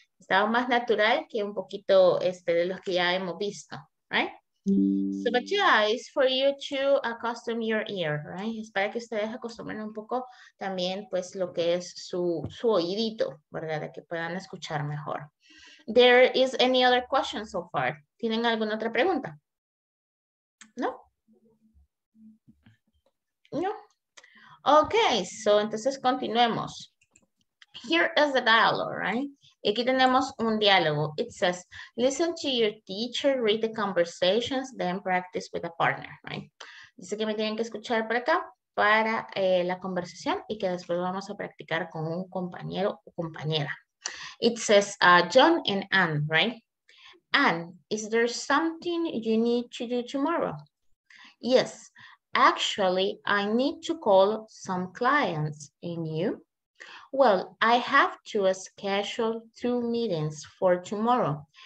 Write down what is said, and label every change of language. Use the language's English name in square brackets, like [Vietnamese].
[Spanish] Estaba más natural que un poquito de los que ya hemos visto, right? [English] So, but yeah, it's for you to accustom your ear, right? [Spanish] Es para que ustedes acostumbren un poco también, pues, lo que es su oídito, ¿verdad? De que puedan escuchar mejor. [English] There is any other question so far? [Spanish] ¿Tienen alguna otra pregunta? ¿No? [English] No. Okay, so [Spanish] entonces continuemos. [English] Here is the dialogue, right? [Spanish] Aquí tenemos un diálogo. [English] It says, listen to your teacher, read the conversations, then practice with a partner, right? [Spanish] Dice que me tienen que escuchar por acá para la conversación y que después vamos a practicar con un compañero o compañera. [English] It says, John and Anne, right? Anne, is there something you need to do tomorrow? Yes. Actually, I need to call some clients in you. Well, I have to schedule 2 meetings for tomorrow.